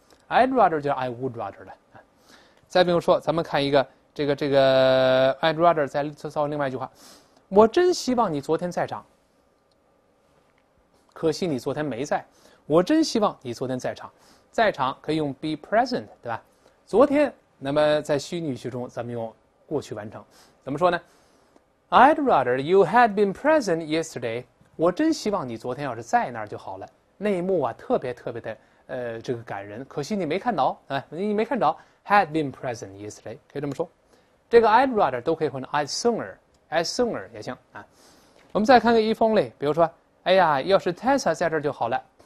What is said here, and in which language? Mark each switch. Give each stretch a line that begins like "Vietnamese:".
English: I'd rather
Chinese: 就
English: I would rather
Chinese: 的。再比如说，咱们看一个这个 I'd rather 再造另外一句话，我真希望你昨天在场。可惜你昨天没在，我真希望你昨天在场。在场可以用
English: be present，
Chinese: 对吧？昨天，那么在虚拟语气中，咱们用过去完成。怎么说呢
English: ？I'd rather you had been present yesterday。
Chinese: 我真希望你昨天要是在那儿就好了。那一幕啊，特别特别的，这个感人。可惜你没看到，你没看着。
English: Had been present yesterday，
Chinese: 可以这么说。这个
English: I'd rather
Chinese: 都可以换成
English: I'd sooner， I'd sooner
Chinese: 也行啊。我们再看个
English: if only，
Chinese: 比如说。哎呀，要是 Tessa 在这儿就好了。